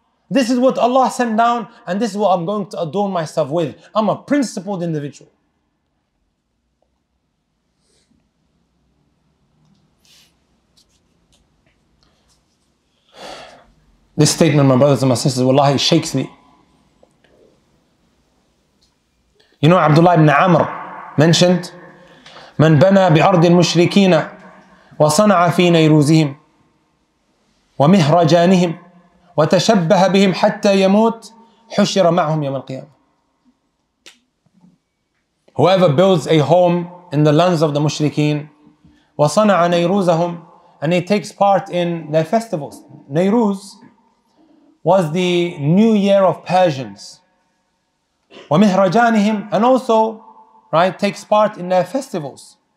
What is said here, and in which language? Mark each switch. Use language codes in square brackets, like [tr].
[en] This is what Allah sent down, and this is what I'm going to adorn myself with. I'm a principled individual. This statement, my brothers and my sisters, wallahi, it shakes me. You know, Abdullah ibn Amr mentioned, [ar] من بنى بأرض المشركين وصنع في نيروزهم ومهرجانهم وتشبه بهم حتى يموت حشر معهم يوم القيامة. [en] Whoever builds a home in the lands of the mushrikeen, [ar] وصنع نيروزهم, [en] and he takes part in their festivals. نيروز was the new year of Persians. ومهرجانهم, and also, right, takes part in their festivals.